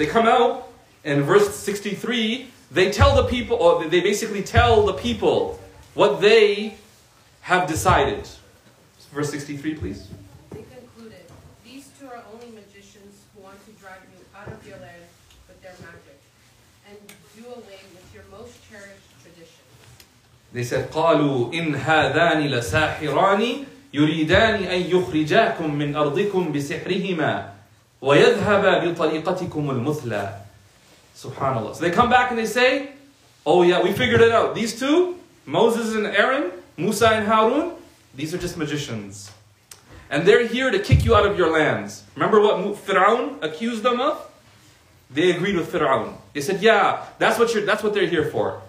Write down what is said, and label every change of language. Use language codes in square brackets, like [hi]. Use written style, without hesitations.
[en] They come out, and verse 63, they tell the people, or they basically tell the people what they have decided. Verse 63, please. They concluded, these two are only magicians who want to drive you out of your land with their magic and do away with your most cherished tradition. They said, [ar] قَالُوا إِنْ هَذَانِ لَسَاحِرَانِ يُرِيدَانِ أَن يُخْرِجَاكُم مِّنْ أَرْضِكُمْ بِسِحْرِهِمَا وَيَذْهَبَا بِطَرِيقَتِكُمُ الْمُثْلَى. [en] SubhanAllah. So they come back and they say, oh yeah, we figured it out. These two, Moses and Aaron, Musa and Harun, these are just magicians. And they're here to kick you out of your lands. Remember what Fir'aun accused them of? They agreed with Fir'aun. They said, yeah, that's what they're here for.